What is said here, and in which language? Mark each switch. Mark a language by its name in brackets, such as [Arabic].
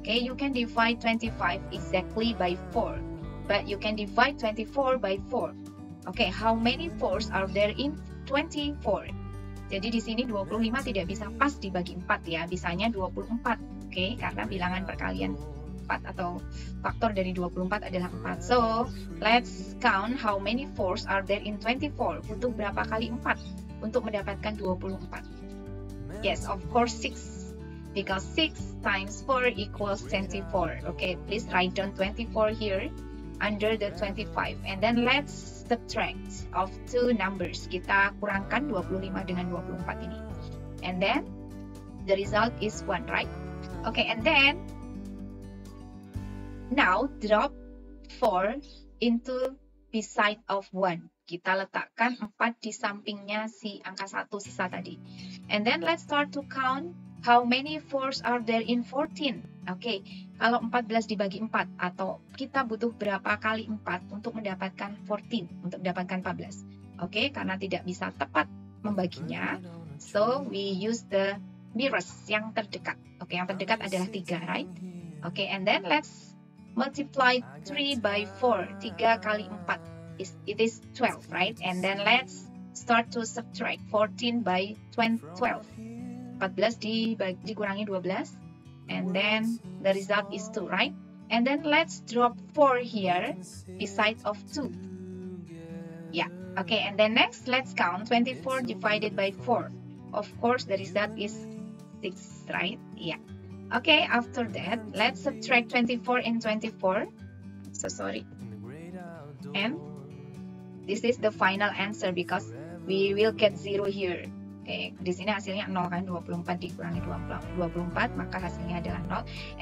[English] Okay, you can divide 25 exactly by 4. But you can divide 24 by 4. Okay, how many 4s are there in 24? [Indonesian] Jadi di sini 25 tidak bisa pas dibagi 4 ya, bisanya 24. Okay, karena bilangan perkalian 4 atau faktor dari 24 adalah 4. [English] So, let's count how many 4s are there in 24. [Indonesian] Butuh berapa kali 4 untuk mendapatkan 24? [English] Yes, of course 6. Because 6 times 4 equals 24. Okay, please write down 24 here under the 25. And then let's subtract of two numbers. [Indonesian] Kita kurangkan 25 dengan 24 ini. [English] And then the result is 1, right? Okay, and then now drop 4 into beside of 1. [Indonesian] Kita letakkan 4 di sampingnya si angka 1 sisa tadi. [English] And then let's start to count how many 4s are there in 14. [Indonesian] Okay, kalau 14 dibagi 4 atau kita butuh berapa kali 4 untuk mendapatkan 14, untuk mendapatkan 14. Okay, karena tidak bisa tepat membaginya, [English] so we use the nearest, [Indonesian] yang terdekat. Okay, yang terdekat adalah 3, right? [English] Okay, and then let's multiply 3 by 4. [Indonesian] 3 kali 4, [English] it is 12, right? And then let's start to subtract 14 by 12. [Indonesian] 14 dikurangi 12. [English] And then the result is 2, right? And then let's drop 4 here beside of 2. Yeah, okay. And then next, let's count 24 divided by 4. Of course, the result is 6, right? Yeah. Okay, after that, let's subtract 24 and 24. So sorry. And this is the final answer because we will get 0 here. [Indonesian] Okay, di sini hasilnya 0 kan, 24 dikurangi 24, maka hasilnya adalah 0.